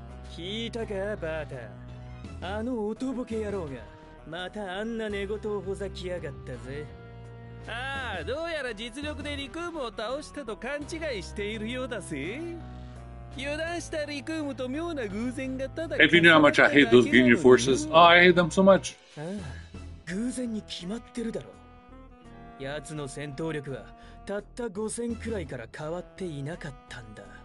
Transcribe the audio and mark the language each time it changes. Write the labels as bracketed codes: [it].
[ja] 聞いたかバーター、あのおとぼけ野郎がまたあんな寝言をほざきやがったぜ。ああ、どうやら実力でリクームを倒したと勘違いしているようだぜ。油断したリクームと妙な偶然がただ [en] If you knew how much I hate those Genie forces, oh, I hate them so much. [ja] ああ、偶然に決まってるだろ。やつの戦闘力はたった5000くらいから変わっていなかったんだ。